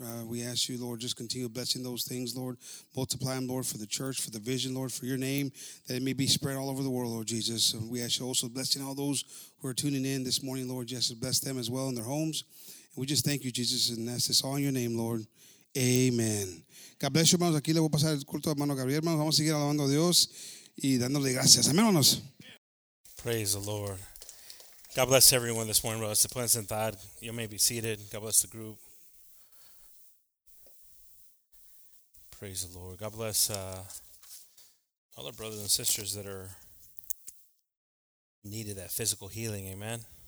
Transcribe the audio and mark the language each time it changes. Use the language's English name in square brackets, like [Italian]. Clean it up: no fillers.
[English] We ask you, Lord, just continue blessing those things, Lord. Multiply them, Lord, for the church, for the vision, Lord, for your name, that it may be spread all over the world, Lord Jesus. And we ask you also blessing all those who are tuning in this morning, Lord, just to bless them as well in their homes. And we just thank you, Jesus, and ask this all in your name, Lord. Amen. God bless you, hermanos. [Spanish] Aquí le voy a pasar el culto a hermano Gabriel, hermanos. Vamos a seguir alabando a Dios y dándole gracias. Amén, hermanos. [English] Praise the Lord. God bless everyone this morning, brothers. The plans and thought, you may be seated. God bless the group. Praise the Lord. God bless all our brothers and sisters that are needed that physical healing, amen.